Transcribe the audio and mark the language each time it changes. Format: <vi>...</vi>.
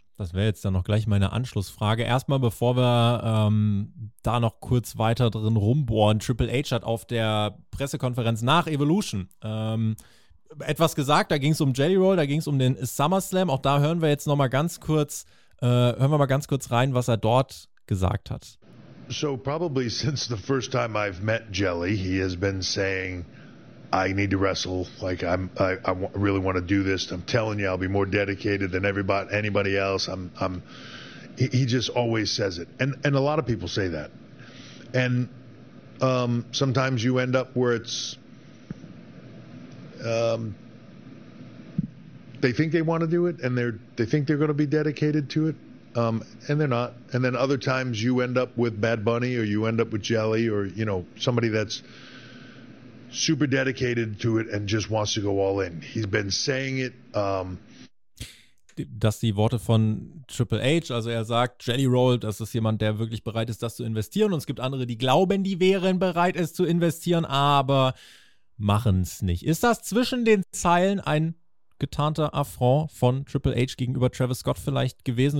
<de>Das wäre jetzt dann noch gleich meine Anschlussfrage. Erstmal, bevor wir da noch kurz weiter drin rumbohren, Triple H hat auf der Pressekonferenz nach Evolution etwas gesagt, da ging es um Jelly Roll, da ging es um den SummerSlam. Auch da hören wir jetzt noch mal ganz kurz, rein, was er dort gesagt hat.</de> <en>So probably since the first time I've met Jelly, he has been saying, I need to wrestle. Like I really want to do this. I'm telling you, I'll be more dedicated than anybody else. He just always says it, and a lot of people say that. And sometimes you end up where it's they think they want to do it, and they think they're going to be dedicated to it. And they're not. And then other times you end up with Bad Bunny or you end up with Jelly or, you know, somebody that's super dedicated to it and just wants to go all in. He's been saying it.</en> <de>Dass die Worte von Triple H, also er sagt, Jelly Roll, das ist jemand, der wirklich bereit ist, das zu investieren. Und es gibt andere, die glauben, die wären bereit, es zu investieren, aber machen es nicht. Ist das zwischen den Zeilen ein getarnter Affront von Triple H gegenüber Travis Scott vielleicht gewesen?</de>